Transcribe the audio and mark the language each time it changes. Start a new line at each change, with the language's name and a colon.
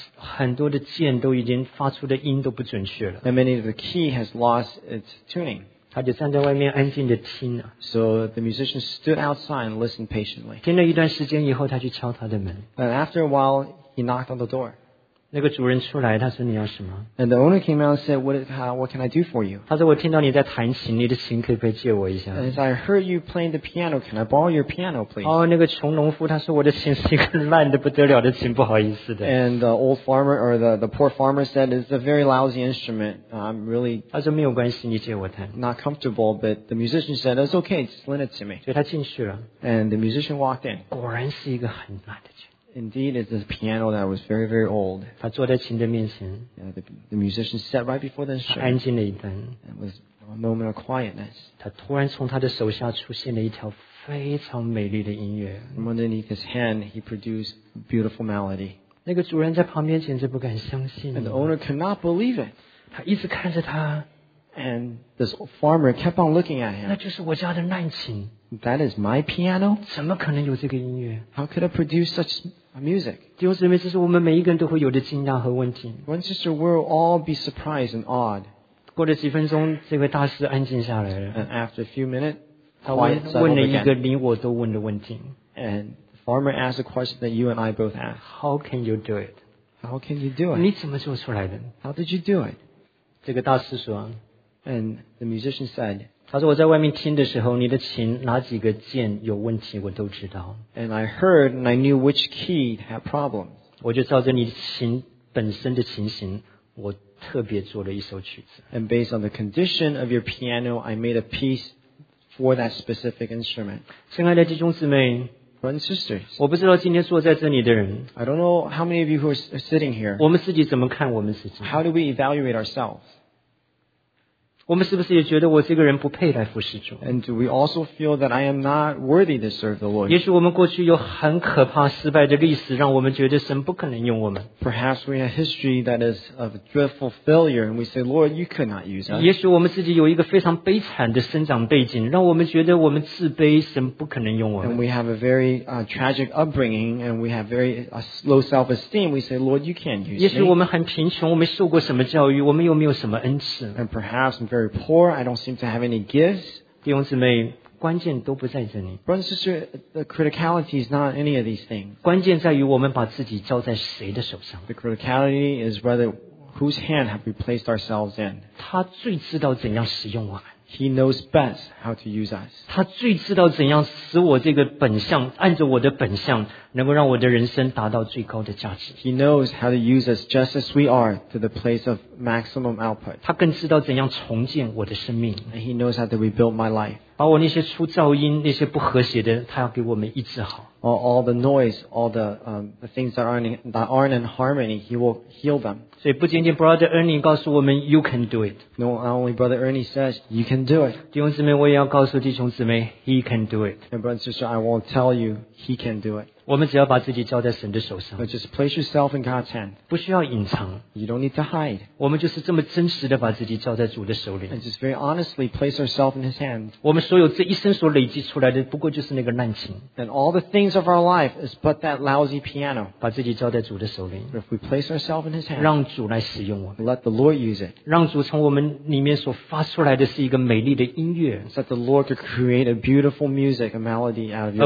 Chinese: 很多的键都已经发出的音都不准确了。
English: And many of the key has lost its tuning.
Chinese: 他就站在外面安静地听了。
English: So the musician stood outside and listened patiently.
Chinese: 听了一段时间以后，他去敲他的门。
English: And after a while, he knocked on the door.
Chinese: 那个主人出来，他说你要什么？
English: And the owner came out and said, what can I do for you?
Chinese: 他说我听到你在弹琴，你的琴可不可以借我一下？
English: And as I heard you playing the piano, can I borrow your piano, please?
Chinese: 哦，那个穷农夫他说我的琴是一个烂的不得了的琴，不好意思的。
English: And the old farmer or the poor farmer said, it's a very lousy instrument. I'm really.
Chinese: 他说没有关系，你借我弹。
English: Not comfortable, but the musician said, it's okay, just lend it to me.
Chinese: 所以他进去了。
English: And the musician walked in.
Chinese: 果然是一个很烂的琴。
English: Indeed, it's a piano that was very, very old.
Chinese: 他坐在琴的面前。
English: Yeah, the musician sat right before the instrument.
Chinese: 安静了一段。
English: It was a moment of quietness.
Chinese: 他突然从他的手下出现了一条非常美丽的音乐。
English: From underneath his hand, he produced a beautiful melody.
Chinese: 那个主人在旁边简直不敢相信。
English: And the owner cannot believe it.
Chinese: 他一直看着他。
English: And this farmer kept on looking at him.
Chinese: 那就是我家的烂琴。
English: That is my piano?
Chinese: 怎么可能有这个音乐?
English: How could I produce such music?
Chinese: 弟兄姊妹，这是我们每一个人都会有的惊讶和问题。
English: One sister, we'll all be surprised and awed.
Chinese: 过了几分钟，这位大师安静下来了。
English: And after a few minutes,
Chinese: 他问了一个你我都问的问题。
English: And the farmer asked a question that you and I both asked. How can you do it? How can you do it?
Chinese: 你怎么做出来的?
English: How did you do it?
Chinese: 这个大师说。
English: And the musician said,
Chinese: 他说我在外面听的时候你的琴哪几个键有问题我都知道。
English: And I heard and I knew which key had problems.
Chinese: 我就照着你琴本身的琴型我特别做了一首曲子。
English: And based on the condition of your piano, I made a piece for that specific instrument.
Chinese: 亲爱的弟兄姊妹
English: Brothers and sisters,
Chinese: 我不知道今天坐在这里的人
English: I don't know how many of you who are sitting here.
Chinese: 我们自己怎么看我们自己
English: How do we evaluate ourselves? And do we also feel that I am not worthy to serve the Lord?
Chinese: 也许我们过去有很可怕失败的历史，让我们觉得神不可能用我们。
English: Perhaps we have history that is of dreadful failure, and we say, Lord, you could not use us.
Chinese: 也许我们自己有一个非常悲惨的生长背景，让我们觉得我们自卑，神不可能用我们。
English: And we have a very tragic upbringing, and we have very low self-esteem. We say, Lord, you can't use me.
Chinese: 也许我们很贫穷，我们受过什么教育，我们又没有什么恩赐。
English: And perhaps I'm very poor. I don't seem to have any gifts.
Chinese: 弟兄姊妹，关键都不在这里。
English: Brothers and sisters, the criticality is not any of these things.
Chinese: 关键在于我们把自己交在谁的手上。
English: The criticality is whether whose hand have we placed ourselves in.
Chinese: 他最知道怎样使用我们。
English: He knows best how to use us.
Chinese: 他最知道怎样使我这个本相，按着我的本相，能够让我的人生达到最高的价值。
English: He knows how to use us just as we are to the place of maximum output.
Chinese: 他更知道怎样重建我的生命。
English: And he knows how to rebuild my life.
Chinese: 把我那些出噪音，那些不和谐的，他要给我们医治好。
English: All the noise, all the things that aren't in harmony, he will heal them.
Chinese: 所以不仅仅 Brother Ernie 告诉我们
English: you can do it. No, not only Brother Ernie says, you can do it.
Chinese: 弟兄姊妹，我也要告诉弟兄姊妹
English: he can do it. And brother and sister, I will tell you, he can do it.
Chinese: 我们只要把自己交在神的手上。
English: But just place yourself in God's hand.
Chinese: 不需要隐藏。
English: You don't need to hide.
Chinese: 我们就是这么真实地把自己交在主的手里。
English: And just very honestly place ourselves in his hand.
Chinese: 我们所有这一生所累积出来的不过就是那个烂琴。
English: And all the things of our life is but that lousy piano.
Chinese: 把自己交在主的手里。
English: If we place ourselves in his hand,
Chinese: 让主来使用我们。
English: Let the Lord use it.
Chinese: 让主从我们里面所发出来的是一个美丽的音乐。
English: So that the Lord could create a beautiful music, a melody out of your life.